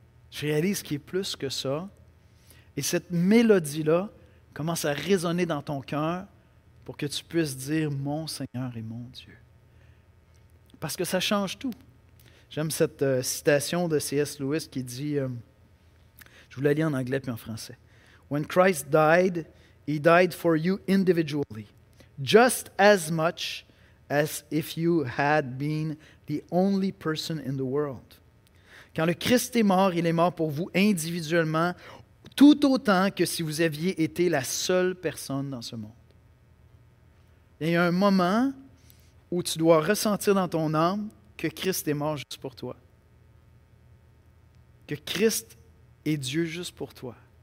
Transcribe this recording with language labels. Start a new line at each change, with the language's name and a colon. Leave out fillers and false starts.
French: Je réalise qu'il est plus que ça. Et cette mélodie-là commence à résonner dans ton cœur pour que tu puisses dire « Mon Seigneur et mon Dieu ». Parce que ça change tout. J'aime cette citation de C.S. Lewis qui dit, je vous la lis en anglais puis en français.
English: When Christ died, he died for you individually, just as much as if you had been the only person in the world.
French: Quand le Christ est mort, il est mort pour vous individuellement, tout autant que si vous aviez été la seule personne dans ce monde. Il y a un moment où tu dois ressentir dans ton âme que Christ est mort juste pour toi, que Christ est Dieu juste pour toi.